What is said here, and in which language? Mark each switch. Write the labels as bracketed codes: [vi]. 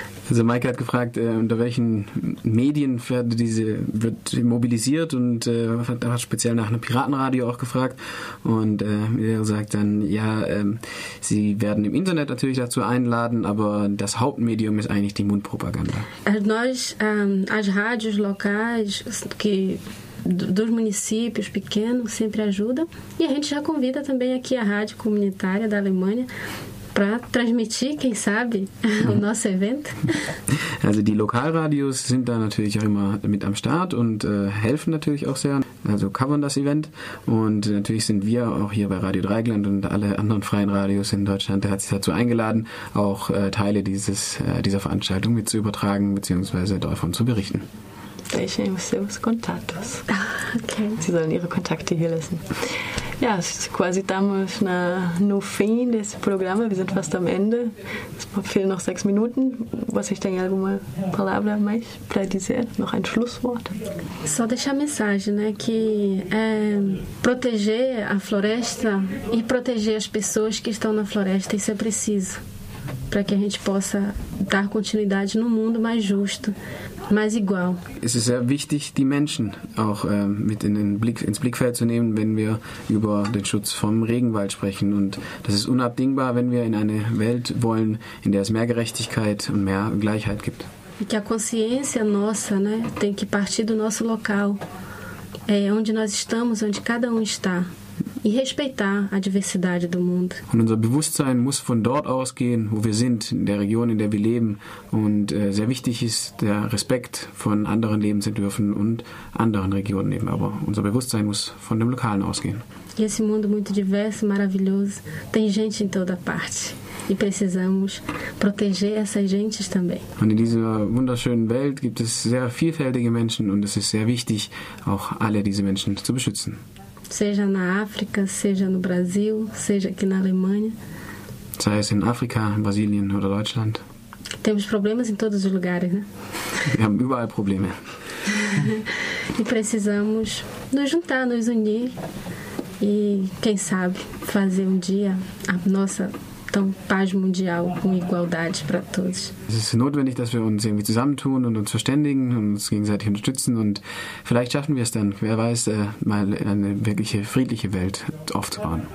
[de] Also Maike hat gefragt, unter welchen Medien wird mobilisiert und hat speziell nach einem Piratenradio auch gefragt. Und er sagt dann, ja, sie werden im Internet natürlich dazu einladen, aber das Hauptmedium ist eigentlich die Mundpropaganda. [pt] As rádios locais, dos municípios pequenos, sempre ajudam. E a gente já convida também aqui a rádio comunitária da Alemanha para transmitir, quem sabe, o nosso evento. [de] Also die Lokalradios sind da natürlich auch immer mit am Start und helfen natürlich auch sehr, also covern das Event. Und natürlich sind wir auch hier bei Radio Dreigland und alle anderen freien Radios in Deutschland, der hat sich dazu eingeladen, auch Teile dieser Veranstaltung mit zu übertragen bzw. davon zu berichten. [pt] Deixem os seus contatos. Okay. [de] Sie sollen ihre Kontakte hier lassen. [pt] Ja, quasi estamos no fim desse programa. [de] Wir sind fast am Ende. Es fehlen noch 6 Minuten. Was ich denke, [pt] alguma palavra mais para dizer? [de] Noch ein Schlusswort? [pt] Só deixar a mensagem, né? Que é proteger a floresta e proteger as pessoas que estão na floresta. Isso é preciso para que a gente possa dar continuidade num mundo mais justo. [de] Es ist sehr wichtig, die Menschen auch mit in den Blick, ins Blickfeld zu nehmen, wenn wir über den Schutz vom Regenwald sprechen. Und das ist unabdingbar, wenn wir in eine Welt wollen, in der es mehr Gerechtigkeit und mehr Gleichheit gibt. [pt] E que a consciência nossa, né, tem que partir do nosso local, onde nós estamos, onde cada está. E respeitar a diversidade do mundo. [de] Und unser Bewusstsein muss von dort ausgehen, wo wir sind, in der Region, in der wir leben. Und sehr wichtig ist, der Respekt von anderen Lebensentwürfen und anderen Regionen eben. Aber unser Bewusstsein muss von dem Lokalen ausgehen. [pt] E esse mundo muito diverso, maravilhoso, tem gente em toda parte. E precisamos proteger essas gentes também. [de] Und in dieser wunderschönen Welt gibt es sehr vielfältige Menschen und es ist sehr wichtig, auch alle diese Menschen zu beschützen. [pt] Seja na África, seja no Brasil, seja aqui na Alemanha. [de] Sei es in Afrika, in Brasilien oder Deutschland. [pt] Temos problemas em todos os lugares, né? [de] Wir haben überall Probleme. [pt] E precisamos nos juntar, nos unir e, quem sabe, fazer dia a nossa tão paz mundial com igualdade para todos. [de] Es ist notwendig, dass wir uns irgendwie zusammentun und uns verständigen und uns gegenseitig unterstützen und vielleicht schaffen wir es dann, wer weiß, mal eine wirkliche friedliche Welt aufzubauen.